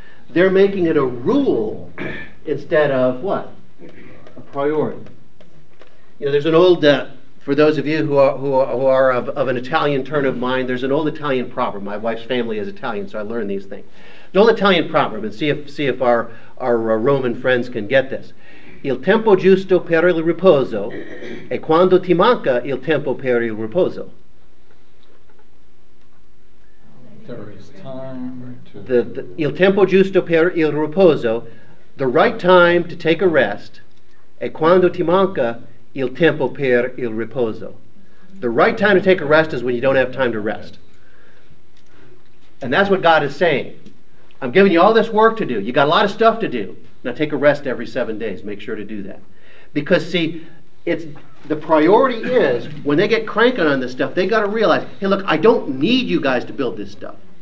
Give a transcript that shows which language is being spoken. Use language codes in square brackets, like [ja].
[en] They're making it a rule instead of what? A priority. You know, there's an old, for those of you who are of an Italian turn of mind, there's an old Italian proverb. My wife's family is Italian, so I learned these things. An old Italian proverb, and see if our Roman friends can get this. [it] Il tempo giusto per il riposo, e quando ti manca il tempo per il riposo. [en] There is time to... [it] The il tempo giusto per il riposo, [en] the right time to take a rest, [it] e quando ti manca il tempo per il riposo. [en] The right time to take a rest is when you don't have time to rest. And that's what God is saying. I'm giving you all this work to do. You got a lot of stuff to do. Now take a rest every 7 days. Make sure to do that. Because see, it's the priority is when they get cranking on this stuff, they got to realize, hey, look, I don't need you guys to build this stuff.